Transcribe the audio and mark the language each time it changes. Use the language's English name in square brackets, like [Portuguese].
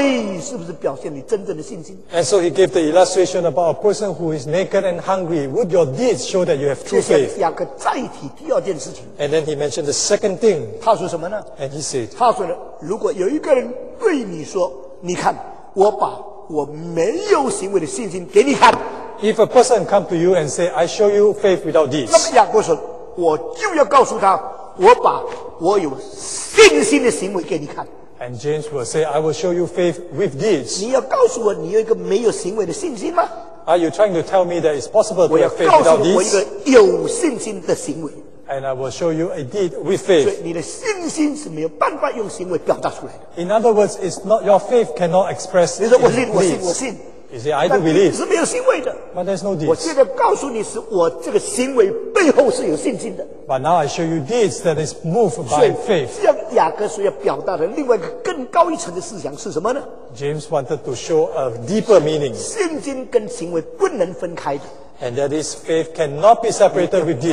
[English] and so he gave the illustration about a person who is naked and hungry. Would your deeds show that you have true faith? And then he mentioned the second thing. [Chinese] 他说什么呢? [English] And he said, [Chinese] 他说了,如果有一个人对你说,你看, 我把我没有行为的信心给你看, [English] if a person come to you and say, I show you faith without deeds, [Chinese] 那么雅各说, 我就要告诉他, 我把我有信心的行为给你看。 [English] And James will say, I will show you faith with deeds. [Chinese] 你要告诉我你有一个没有行为的信心吗? [English] Are you trying to tell me that it's possible to have faith without deeds? [Chinese] 我要告诉我一个有信心的行为。 [English] And I will show you a deed with faith. [Chinese] 所以你的信心是没有办法用行为表达出来的。 [English] In other words, it's not your faith cannot express it with deeds. [Chinese] 我信。 [English] You say, I do believe. [Chinese] 是没有行为的, [English] but there's no deeds. [Chinese] 我现在告诉你是我这个行为背后是有信心的。 [English] But now I show you deeds that is moved by faith. [Chinese] 所以这样雅各所要表达的另外一个更高一层的思想是什么呢? [English] James wanted to show a deeper meaning. [Chinese] 信心跟行为不能分开的。 [English] And that is faith cannot be separated with deeds.